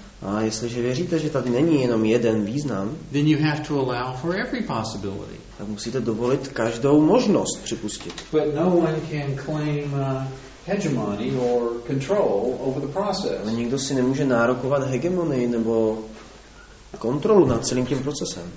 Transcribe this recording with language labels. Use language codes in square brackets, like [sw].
[cs] a jestliže věříte, že tady není jenom jeden význam, [en] then you have to allow for every possibility. [cs] Tak musíte dovolit každou možnost připustit. [en] But no one can claim hegemony or control over the process. [cs] Ale nikdo si nemůže nárokovat hegemonii nebo kontrolu nad celým tím procesem.